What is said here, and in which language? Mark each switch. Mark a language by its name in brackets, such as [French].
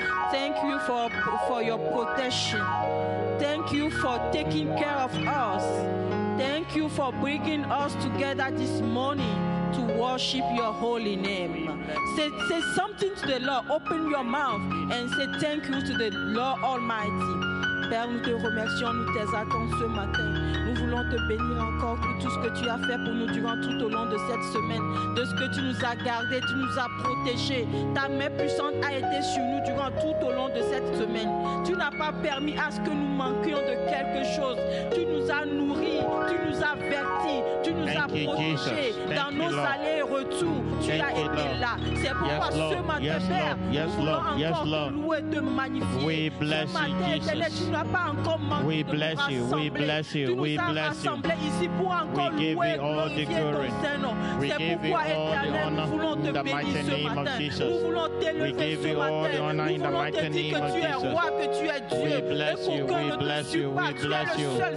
[English] Thank you for your protection. Thank you for taking care of us. Thank you for bringing us together this morning to worship your holy name. Say something to the Lord. Open your mouth and say thank you to the Lord Almighty. [French] Père, nous te remercions, nous tes attendons ce matin. Nous voulons te bénir encore pour tout ce que tu as fait pour nous durant tout au long de cette semaine, de ce que tu nous as gardé, tu nous as protégé. Ta main puissante a été sur nous durant tout au long de cette semaine. Tu n'as pas permis à ce que nous manquions de quelque chose. Tu nous as nourris, tu nous as vertis, tu nous as protégés dans nos allers et retours. Tu as été là. C'est pourquoi ce matin, Père, nous voulons encore te louer, te magnifier. Ce matin, [English] we bless you, we bless you, we bless you. We give you all the glory. We give you all the honor in the mighty name of Jesus. We give you all the honor in the mighty name of Jesus. We bless you, we bless you, we bless you.